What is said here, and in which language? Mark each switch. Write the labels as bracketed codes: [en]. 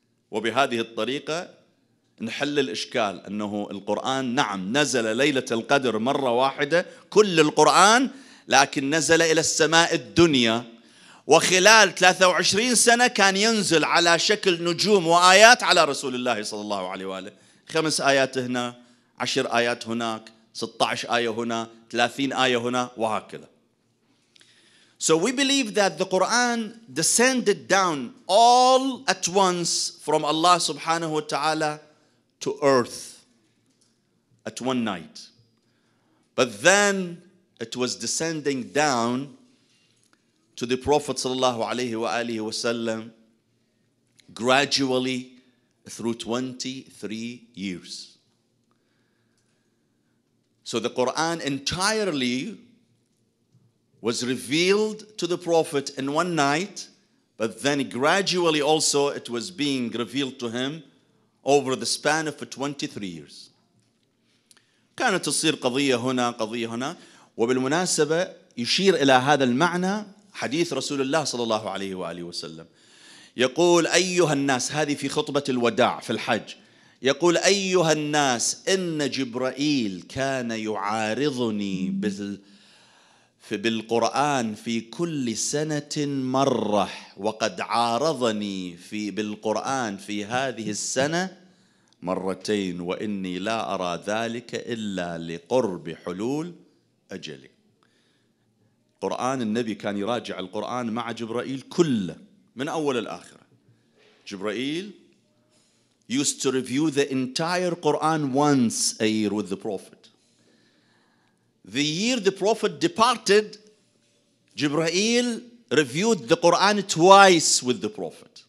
[ar] وبهذه الطريقة نحل الإشكال أنه القرآن نعم نزل ليلة القدر مرة واحدة كل القرآن، لكن نزل إلى السماء الدنيا، وخلال 23 سنة كان ينزل على شكل نجوم وآيات على رسول الله صلى الله عليه وآله. 5 آيات هنا، 10 آيات هناك، 16 آية هنا، 30 آية هنا، وهكذا. [en] So we believe that the Quran descended down all at once from Allah subhanahu wa ta'ala to earth at one night. But then it was descending down to the Prophet sallallahu alayhi wa alihi wa sallam gradually through 23 years. So the Quran entirely was revealed to the Prophet in one night, but then gradually also it was being revealed to him over the span of 23 years. [ar] كانت تصير قضية هنا قضية هنا. وبالمناسبة يشير إلى هذا المعنى حديث رسول الله صلى الله عليه وآله وسلم، يقول أيها الناس، هذه في خطبة الوداع في الحج، يقول أيها الناس إن جبرائيل كان يعارضني فبالقرآن في كل سنة مرة وقد عارضني في بالقرآن في هذه السنة مرتين وإني لا أرى ذلك إلا لقرب حلول أجلي. قرآن النبي كان يراجع القرآن مع جبرائيل كله من أول الآخرة. [en] جبرائيل used to review the entire Quran once a year with the Prophet. The year the Prophet departed, Jibreel reviewed the Quran twice with the Prophet.